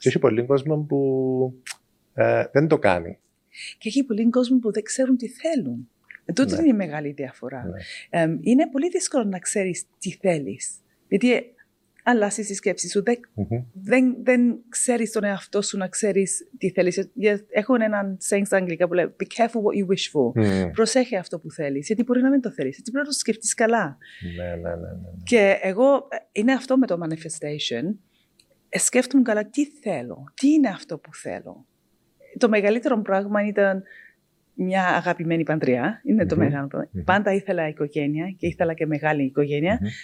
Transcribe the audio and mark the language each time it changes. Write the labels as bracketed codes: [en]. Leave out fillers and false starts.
[el] Και έχει πολλοί κόσμο που δεν το κάνει. Και έχει πολλοί κόσμο που δεν ξέρουν τι θέλουν. Τότε, ναι, είναι η μεγάλη διαφορά. Ναι. Είναι πολύ δύσκολο να ξέρεις τι θέλεις. Γιατί αλλάζεις τη σκέψη σου, δεν ξέρεις τον εαυτό σου να ξέρεις τι θέλεις. Έχω έναν saying στα αγγλικά που λέει, [en] be careful what you wish for. Mm. [el] Προσέχε αυτό που θέλεις, γιατί μπορεί να μην το θέλεις. Έτσι πρέπει να το σκεφτείς καλά. Ναι. Και εγώ, είναι αυτό με το manifestation, σκέφτομαι καλά τι θέλω, τι είναι αυτό που θέλω. Το μεγαλύτερο πράγμα ήταν μια αγαπημένη παντριά, είναι το μεγάλο πρόβλημα. Πάντα ήθελα οικογένεια και ήθελα και μεγάλη οικογένεια.